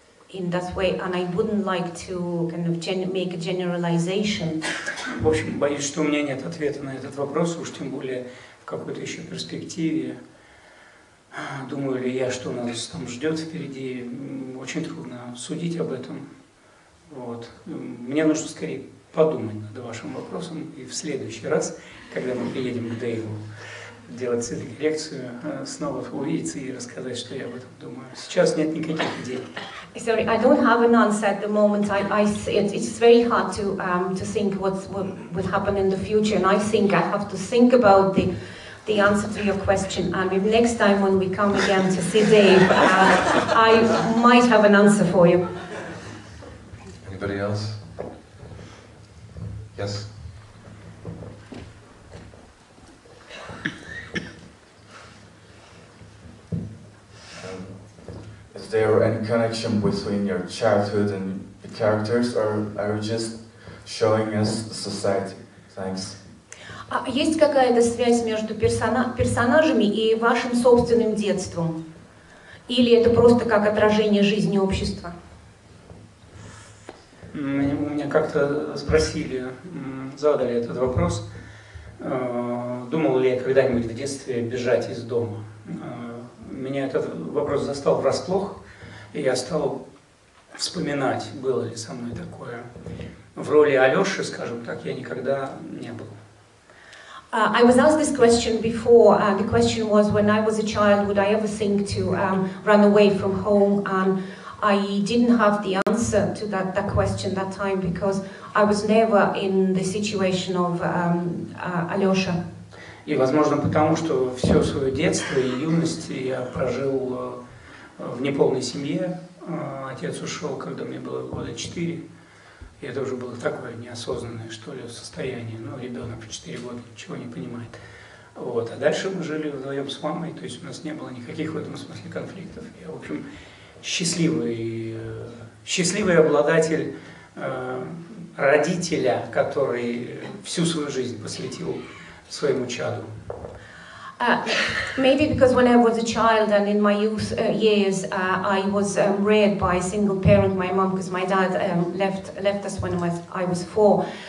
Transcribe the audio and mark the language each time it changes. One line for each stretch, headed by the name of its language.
English: in that way, and I wouldn't like to kind of make a generalization.
Russian: В общем, боюсь, что у меня нет ответа на этот вопрос, уж тем более в какой-то еще перспективе. Думаю ли я, что нас там ждет впереди, очень трудно судить об этом. Вот. Мне нужно скорее подумать над вашим вопросом, и в следующий раз, когда мы приедем к Дэйву, делать лекцию, снова увидеться и рассказать, что я об этом думаю. Сейчас нет никаких идей.
English: Sorry, I don't have an answer at the moment. It's very hard to think what happen in the future. And I think I have to think about the answer to your question. And if next time when we come again to see Dave, I might have an answer for you. Anybody else? Yes. Is there any connection between your childhood and the characters, or are you just showing us the society? Thanks.
Russian: Есть какая-то связь между персонажами и вашим собственным детством? Или это просто как отражение жизни общества? Меня как-то спросили, задали этот вопрос. Думал ли я когда-нибудь в детстве бежать из дома? Меня этот вопрос застал врасплох. И я стал вспоминать, было ли со мной такое. В роли Алёши, скажем так, я никогда не был.
English: I was asked this question before. The question was, when I was a child, would I ever think to run away from home? And I didn't have the answer to that question that time, because I was never in the situation of Alyosha.
Russian: И, возможно, потому что все свое детство и юность я прожил в неполной семье. Отец ушел, когда мне было года 4. И это уже было такое неосознанное, что ли, состояние. Ну, ребенок в 4 года ничего не понимает. Вот. А дальше мы жили вдвоем с мамой, то есть у нас не было никаких в этом смысле конфликтов. Я, в общем, счастливый обладатель родителя, который всю свою жизнь посвятил своему чаду.
English: Maybe because when I was a child and in my youth years, I was reared by a single parent, my mom, because my dad left us when I was 4.